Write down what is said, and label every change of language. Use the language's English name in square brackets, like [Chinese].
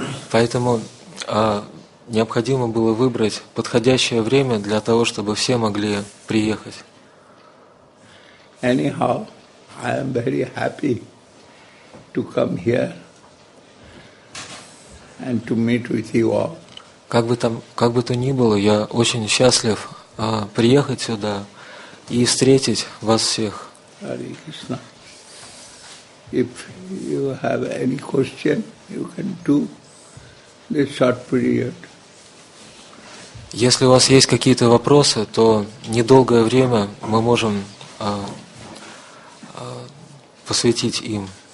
[Russian] Поэтому необходимо было выбрать подходящее время для того, чтобы все могли приехать. [English] Anyhow, I am very happy to come here and to meet with you all. [Russian] Как бы то ни было, я очень счастлив приехать сюда и встретить вас всех. [Sanskrit] Hare Krishna. [English] If you have any question, you can do this short period. [Russian] Если у вас есть какие-то вопросы, то недолгое время мы можем посвятить им.